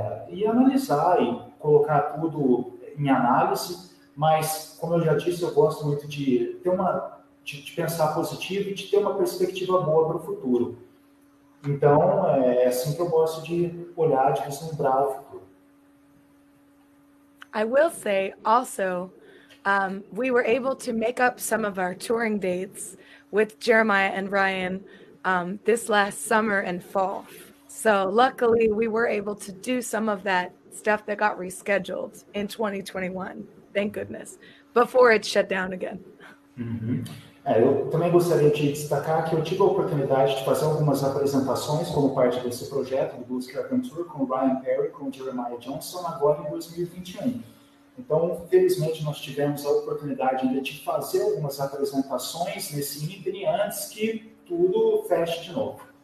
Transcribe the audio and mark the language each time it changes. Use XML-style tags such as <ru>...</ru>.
<pt>e analisar e colocar tudo em análise, mas como eu já disse, eu gosto muito de ter uma de pensar positivo e de ter uma perspectiva boa para o futuro. Então, é assim que eu gosto de olhar, de vislumbrar o futuro.</pt> <en>I will say also, we were able to make up some of our touring dates with Jeremiah and Ryan this last summer and fall. So luckily, we were able to do some of that stuff that got rescheduled in 2021, thank goodness, before it shut down again.</en> <pt>Eu também gostaria de destacar que eu tive a oportunidade de fazer algumas apresentações como parte desse projeto do Blues Caravan Tour com Ryan Perry, com Jeremiah Johnson, agora em 2021. Então, felizmente, nós tivemos a oportunidade ainda de fazer algumas apresentações nesse ínterim antes que tudo feche de novo.</pt>